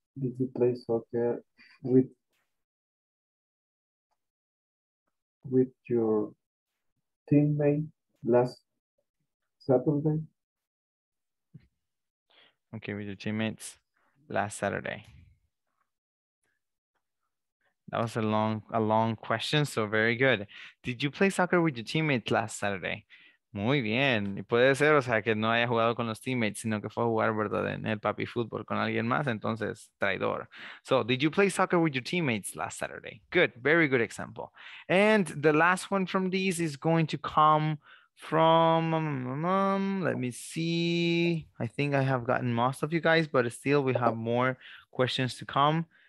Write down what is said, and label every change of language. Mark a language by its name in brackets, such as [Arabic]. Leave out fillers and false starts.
[English] Did you play soccer with your teammate last Saturday? Okay, with your teammates last Saturday. That was a long question, so very good. Did you play soccer with your teammates last Saturday? [Spanish] Muy bien. Y puede ser, o sea, que no haya jugado con los teammates, sino que fue a jugar, ¿verdad?, en el papi fútbol con alguien más, entonces, traidor. [English] So, did you play soccer with your teammates last Saturday? Good, very good example. And the last one from these is going to come from, let me see. I think I have gotten most of you guys, but still we have more questions to come.